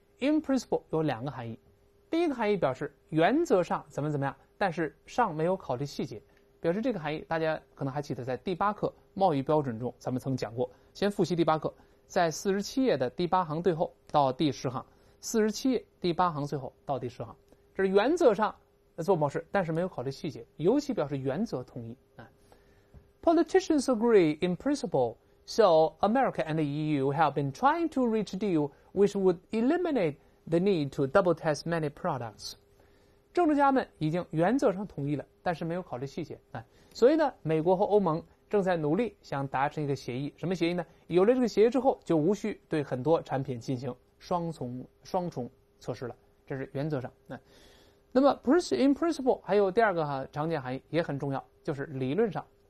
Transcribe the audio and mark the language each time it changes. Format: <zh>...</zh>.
<zh>in principle 有两个含义，第一个含义表示原则上怎么怎么样，但是上没有考虑细节，表示这个含义大家可能还记得在第八课贸易标准中咱们曾讲过，先复习第八课，在47页的第八行最后到第十行， 47第八行最后到第十行，这是原则上做某事，但是没有考虑细节，尤其表示原则同意。</zh> <en>Politicians agree in principle, so America and the EU have been trying to reach a deal which would eliminate the need to double test many products.</en> <zh>政治家们已经原则上同意了，但是没有考虑细节。所以呢，美国和欧盟正在努力想达成一个协议。什么协议呢？有了这个协议之后，就无需对很多产品进行双重措施了。这是原则上。那么 in principle 还有第二个常见含义也很重要，就是理论上。</zh>